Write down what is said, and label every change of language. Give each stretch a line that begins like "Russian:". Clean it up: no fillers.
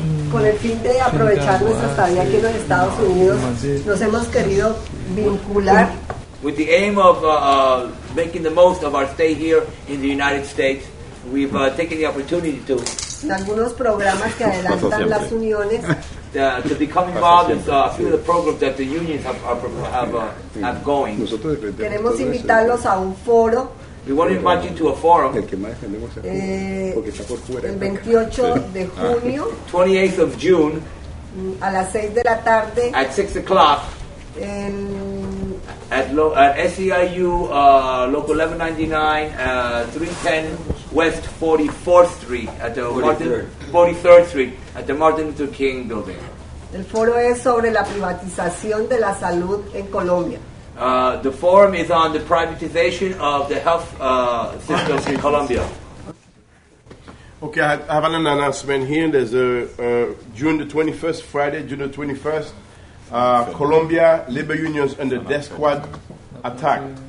Spanish: Con el fin de aprovechar nuestra estadía aquí en los Estados Unidos, nos hemos querido vincular.
English: With the aim of making the most of our stay here in the United States, we've taken the opportunity to.
Spanish: En algunos programas que adelantan las uniones.
English: To become involved in a few of the programs that the unions have going.
Spanish: Queremos invitarlos a un foro.
English: We want to invite you to a forum.
Spanish: El 28 de junio.
English: 28th of June.
Spanish: A las 6 de la tarde.
English: At 6 o'clock. At SEIU Local 1199, 310 West 44th Street, at the 43rd Street, at the Martin Luther King Building.
Spanish: El foro es sobre la privatización de la salud en Colombia.
English: The forum is on the privatization of the health systems in Colombia. Okay, I have an announcement here. There's June the 21st, Friday, June the 21st. Colombia labor unions and the death squad attack.